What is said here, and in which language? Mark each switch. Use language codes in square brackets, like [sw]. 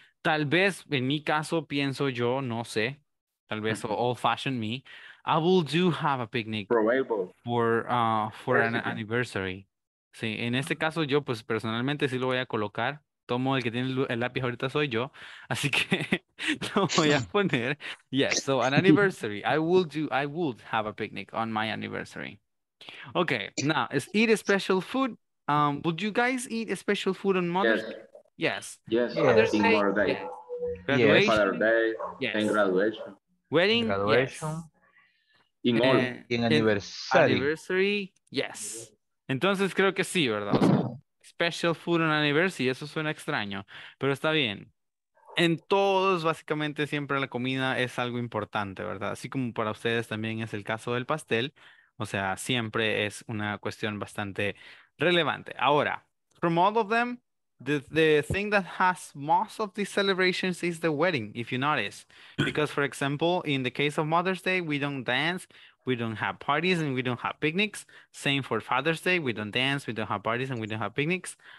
[es] Tal vez, en mi caso, pienso yo, no sé, tal vez [en] old fashioned me, I will do have a picnic for an anniversary. [es] Sí, en este caso yo, pues personalmente sí lo voy a colocar. Tomo el que tiene el lápiz ahorita soy yo, así que lo voy a poner. [en] Yes, so an anniversary. I would have a picnic on my anniversary. Okay, now, is eat special food. Would you guys eat special food on Mother's Day? Yes. Yes, yes. Mother's Day. Yes. Graduation. Yes. Father's Day. Yes. And graduation. Wedding. In graduation. Yes. In anniversary. Anniversary. Yes. [es] Entonces creo que sí, ¿verdad? [en] Special food on anniversary, [es] eso suena extraño, pero está bien. En todos, básicamente, siempre la comida es algo importante, ¿verdad? Así como para ustedes también es el caso del pastel, o sea, siempre es una cuestión bastante relevante. [en] Ahora, from all of them, the thing that has most of these celebrations is the wedding, if you notice. Because, for example, in the case of Mother's Day, we don't dance, we don't have parties and we don't have picnics. Same for Father's Day. We don't dance. We don't have parties and we don't have picnics.